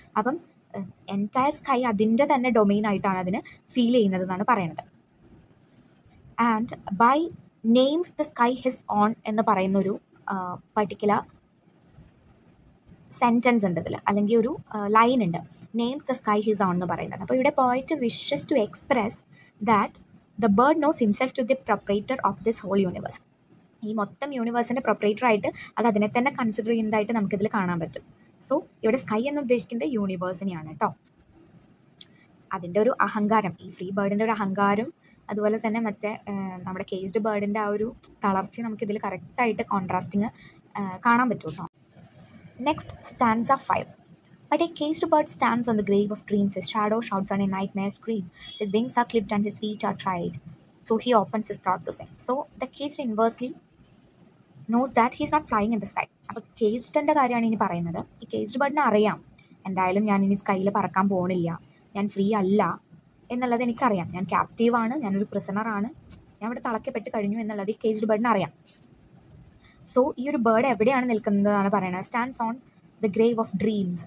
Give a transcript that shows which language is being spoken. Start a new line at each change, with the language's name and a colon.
Malayalam: അപ്പം entire sky അതിൻ്റെ തന്നെ ഡൊമെയിൻ ആയിട്ടാണ് അതിന് ഫീൽ ചെയ്യുന്നത് എന്നാണ് പറയുന്നത്.
English: and by names the sky his own
Malayalam: എന്ന് പറയുന്നൊരു പർട്ടിക്കുലർ സെൻറ്റൻസ് ഉണ്ട് ഇതിൽ, അല്ലെങ്കിൽ ഒരു ലൈൻ ഉണ്ട്
English: names the sky his own
Malayalam: എന്ന് പറയുന്നത്. അപ്പോൾ ഇവിടെ പോയിട്ട്
English: Wishes to express that the bird knows himself to the proprietor of this whole universe.
Malayalam: ee mottham universe inde proprietor aayittu adu adine thanne consider cheyyunnathayittu namukku idile kaanan pattum. So ഇവിടെ sky എന്ന് ഉദ്ദേശിക്കുന്നത് യൂണിവേഴ്സിനെയാണ് കേട്ടോ. അതിൻ്റെ ഒരു അഹങ്കാരം, ഈ free ബേർഡിൻ്റെ ഒരു അഹങ്കാരം, അതുപോലെ തന്നെ മറ്റേ നമ്മുടെ കേജ്ഡ് ബേർഡിൻ്റെ ആ ഒരു തളർച്ച നമുക്കിതിൽ കറക്റ്റായിട്ട് കോൺട്രാസ്റ്റിങ് കാണാൻ പറ്റും കേട്ടോ.
English: Next stanza of five. But a caged bird stands on the grave of dreams. His shadow shouts on a nightmare's scream. His wings are clipped and his feet are tried. So he opens his throat to sing. So the caged inversely knows that he is not flying in the sky.
Malayalam: അപ്പൊ caged എന്റെ കാര്യമാണ് ഇനി പറയുന്നത്. ഈ caged bird അറിയാം എന്തായാലും ഞാൻ ഇനി സ്കൈയിൽ പറക്കാൻ പോകണില്ല, ഞാൻ ഫ്രീ അല്ല എന്നുള്ളത് എനിക്കറിയാം. ഞാൻ ക്യാപ്റ്റീവ് ആണ്, ഞാനൊരു പ്രിസണർ ആണ്, ഞാൻ ഇവിടെ തളക്കപ്പെട്ട് കഴിഞ്ഞു എന്നുള്ളത് ഈ caged bird അറിയാം. സോ ഈ ഒരു ബേർഡ് എവിടെയാണ് നിൽക്കുന്നതെന്നാണ് പറയുന്നത്.
English: Stands on the grave of dreams.